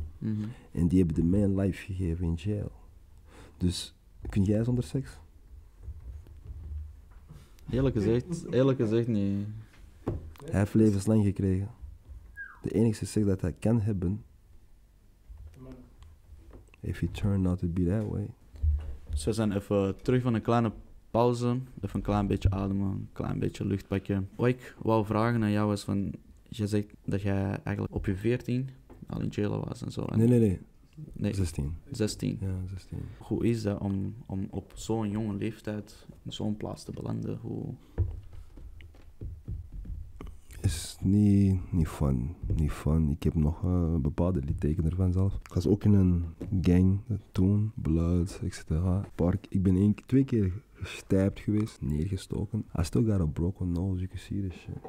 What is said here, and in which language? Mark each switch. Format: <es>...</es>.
<nl>Mm-hmm. En die hebben de man</nl> <en>life</en> <nl>gegeven</nl> <en>in jail.</en> <nl>Dus... Kun jij zonder seks? Eerlijk gezegd, nee. Hij heeft levenslang gekregen. De enige seks dat hij kan hebben...</nl> <en>If he turned out to be that way.</en> <nl>Ze zijn even terug van een kleine pauze, even een klein beetje ademen, een klein beetje lucht pakken. Wat ik wou vragen aan jou is van, je zegt dat jij eigenlijk op je 14 al</nl> <en>in jail</en> <nl>was en zo. En Nee. 16. 16. Ja, 16. Hoe is dat om op zo'n jonge leeftijd in zo'n plaats te belanden? Hoe... is niet fun. Niet fun. Ik heb nog bepaalde litteken ervan zelf. Ik was ook in een gang toen, Blood, etc. Park. Ik ben 2 keer gestijpt geweest, neergestoken.</nl> <en>I still got a broken nose, you can see this shit.</en>